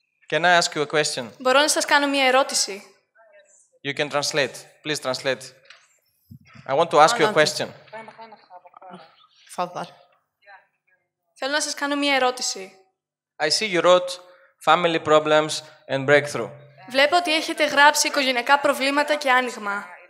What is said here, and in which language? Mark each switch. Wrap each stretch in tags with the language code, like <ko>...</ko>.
<en>Can I ask you a question?</en> <el>Μπορώ να σας κάνω μια ερώτηση.</el> <en>You can translate. Please translate. I want to ask you a question.</en> <el>Θέλω να σας κάνω μια ερώτηση.</el> <en>I see you wrote family problems and breakthrough.</en> <el>Βλέπω ότι έχετε γράψει οικογενειακά προβλήματα και άνοιγμα.</el>